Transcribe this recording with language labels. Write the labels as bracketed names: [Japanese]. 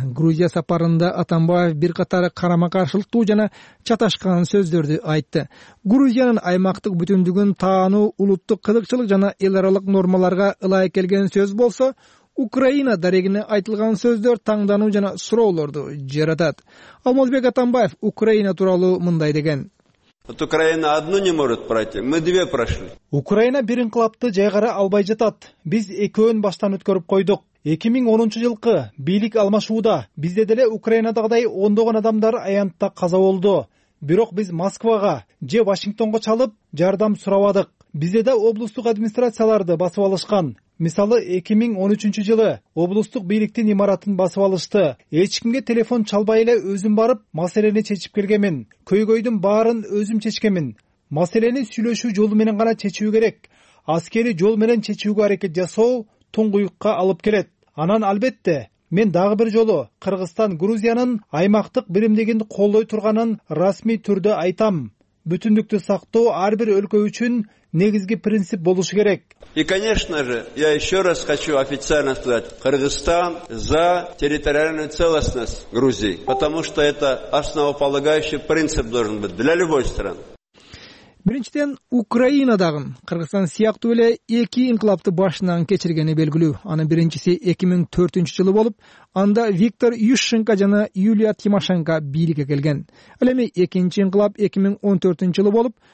[Kyrgyz] Грузия сапарында Атамбаев бир катары карама каршылыктуу жана чаташкан сөздөрдү айтты. Грузиянын аймактык бүтүндүгүн таануу улуттук кызыкчылык жана эл аралык нормаларга ылайык келген сөз болсо, Украина дарегине айтылган сөздөр таңдануу жана суроолорду жаратат. Алмазбек Атамбаев Украина тууралуу мындай деген. [Russian] Вот Украина одну не может пройти, мы две прошли. [Kyrgyz] Украина бирин кылапты жайгара албай жатат. Биз экөөн баштан өткөрүп койдук. 2010 жылкы бийлик алмашууда бизде деле Украинадагыдай ондогон адамдар аянтта каза болду. Бирок биз Москвага же Вашингтонго чалып жардам сурабадык. Бизде да облустук администрацияларды басып алышкан. Мисалы 2013 жылы облустук бийликтин имаратын басып алышты. Эч кимге телефон чалбай эле өзүм барып маселени чечип келгемин. Көйгөйдүн баарын өзүм чечкемин. Маселени сүйлөшүү жолу менен гана чечүү керек. Аскери жол менен чечүүгө аракет жасоо туңгуюкка алып келет. Анан албетте мен дагы бир жолу Кыргызстан Грузиянын аймактык биримдигин колдой турганын расмий түрдө айтам. Бүтүндүктү сактоо ар бир өлкө үчүн негизги принцип болушу керек. [Russian] И, конечно же, я еще раз хочу официально сказать, Кыргызстан за территориальную целостность Грузии, потому что это основополагающий принцип должен быть для любой страны. [Kyrgyz] Биринчиден, Украина дагы Кыргызстан сыяктуу эле эки инкылапты башынан кечиргени белгилүү. Анын биринчиси 2004 жылы болуп, анда Виктор Ющенко жана Юлия Тимошенко бийликке келген. Ал эми экинчи инкылап 2014 жылы болуп,